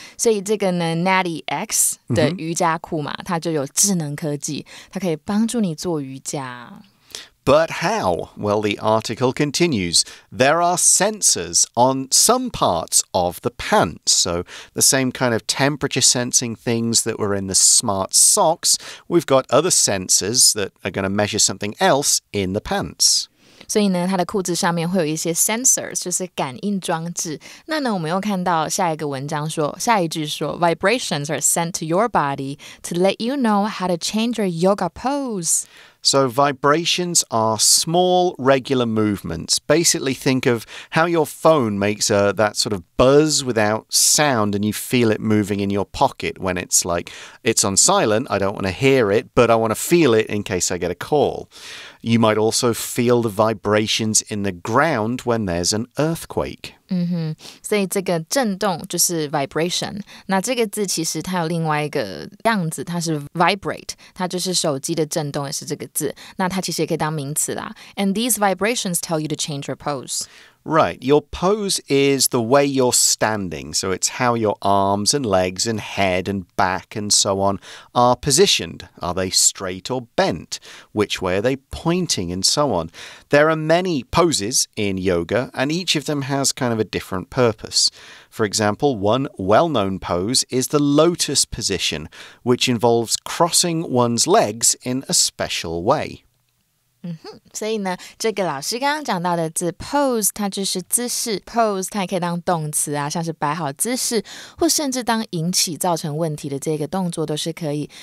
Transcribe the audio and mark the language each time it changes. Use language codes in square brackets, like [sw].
[zh] 所以这个呢 ，Natty X 的瑜伽裤嘛，它就有智能科技，它可以帮助你做瑜伽。 [en] But how? Well, the article continues. There are sensors on some parts of the pants. So the same kind of temperature sensing things that were in the smart socks, we've got other sensors that are going to measure something else in the pants. [zh] 所以呢，它的裤子上面会有一些 sensors， 就是感应装置。 [en] 那呢，我们又看到下一个文章说，下一句说，vibrations are sent to your body to let you know how to change your yoga pose. So vibrations are small, regular movements. Basically, think of how your phone makes that sort of buzz without sound and you feel it moving in your pocket when it's like, it's on silent, I don't want to hear it, but I want to feel it in case I get a call. You might also feel the vibrations in the ground when there's an earthquake. [zh] 嗯哼，所以这个震动就是 vibration。那这个字其实它有另外一个样子，它是 vibrate， 它就是手机的震动也是这个字，那它其实也可以当名词啦。 [en] And these vibrations tell you to change your pose. Right, your pose is the way you're standing. So it's how your arms and legs and head and back and so on are positioned. Are they straight or bent? Which way are they pointing and so on? There are many poses in yoga, and each of them has kind of a different purpose. For example, one well-known pose is the lotus position, which involves crossing one's legs in a special way. [zh] 嗯哼，所以呢，这个老师刚刚讲到的字 pose， 它就是姿势 pose， 它也可以当动词啊，像是摆好姿势，或甚至当引起造成问题的这个动作都是可以。